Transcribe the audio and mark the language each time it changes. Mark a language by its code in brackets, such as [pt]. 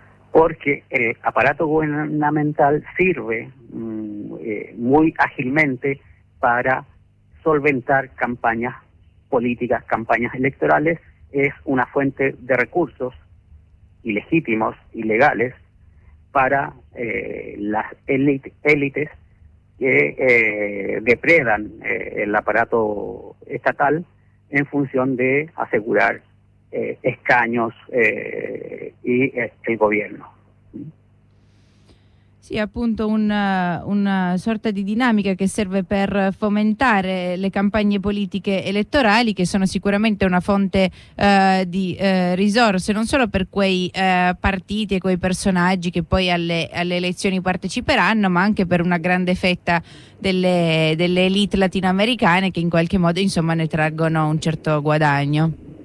[it] Perché il apparato governamentale serve molto agilmente per solventare campagne politiche, campagne elettorali. [es] Es una fuente de recursos ilegítimos, ilegales, para las élites que depredan el aparato estatal en función de asegurar escaños y el gobierno. [it] Sì, appunto una sorta di dinamica che serve per fomentare le campagne politiche elettorali, che sono sicuramente una fonte risorse non solo per quei partiti e quei personaggi che poi alle elezioni parteciperanno, ma anche per una grande fetta delle elite latinoamericane che in qualche modo insomma ne traggono un certo guadagno.